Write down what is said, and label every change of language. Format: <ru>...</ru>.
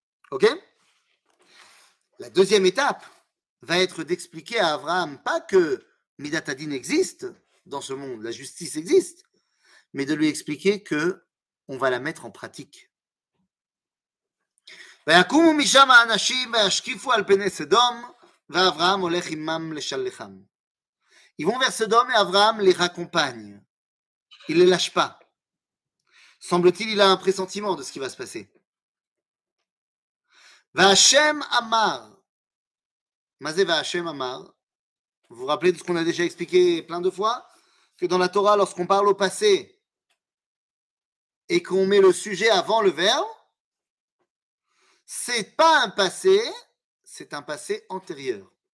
<fr>Ok ? La deuxième étape va être d'expliquer à Abraham pas que Midat Adin existe dans ce monde, la justice existe, mais de lui expliquer que on va la mettre en pratique.</fr> <he>ויקומו משם האנשים וישקיפו על פני סדום ואברהם הולך עמם לשלחם.</he> <fr>Ils vont vers Sodome et Abraham les raccompagne. Il ne les lâche pas. Semble-t-il, il a un pressentiment de ce qui va se passer.</fr> <he>Vahashem Amar. Mazé Vahashem Amar.</he> <fr>Vous vous rappelez de ce qu'on a déjà expliqué plein de fois? Que dans la Torah, lorsqu'on parle au passé et qu'on met le sujet avant le verbe, c'est pas un passé, c'est un passé antérieur.</fr>